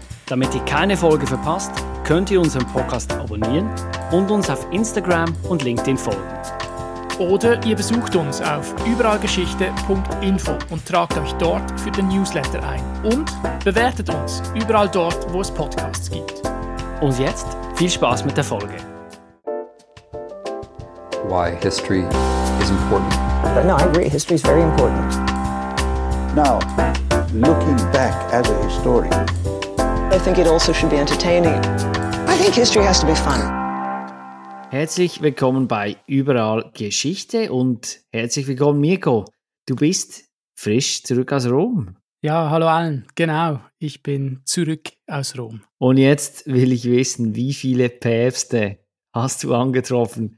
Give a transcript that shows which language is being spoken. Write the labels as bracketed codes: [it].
[de] Damit ihr keine Folge verpasst, könnt ihr unseren Podcast abonnieren und uns auf Instagram und LinkedIn folgen. Oder ihr besucht uns auf überallgeschichte.info und tragt euch dort für den Newsletter ein. Und bewertet uns überall dort, wo es Podcasts gibt. Und jetzt viel Spaß mit der Folge. [en] Why history is important. No, I agree. History is very important. Now, looking back as a historian, I think it also should be entertaining. I think history has to be fun. [de] Herzlich willkommen bei Überall Geschichte und herzlich willkommen, Mirko. Du bist frisch zurück aus Rom. Ja, hallo allen. Genau, ich bin zurück aus Rom. Und jetzt will ich wissen, wie viele Päpste hast du angetroffen?